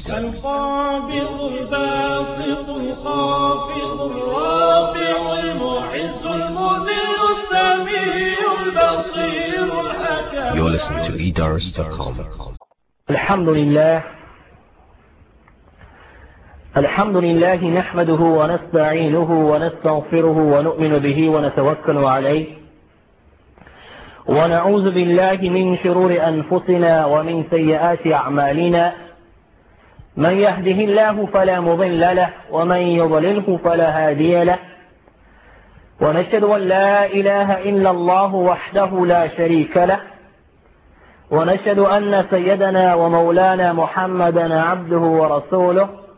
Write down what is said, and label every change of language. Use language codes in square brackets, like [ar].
[ar] القابض الباسط الخافض الرافع المعز المذل السميع البصير الحكيم. [en] You're listening to Eders.com. [ar] الحمد لله الحمد لله نحمده ونستعينه ونستغفره ونؤمن به ونتوكل عليه ونعوذ بالله من شرور أنفسنا ومن سيئات أعمالنا، من يهده الله فلا مضل له ومن يضلله فلا هادي له، ونشهد أن لا إله إلا الله وحده لا شريك له، ونشهد أن سيدنا ومولانا محمدا عبده ورسوله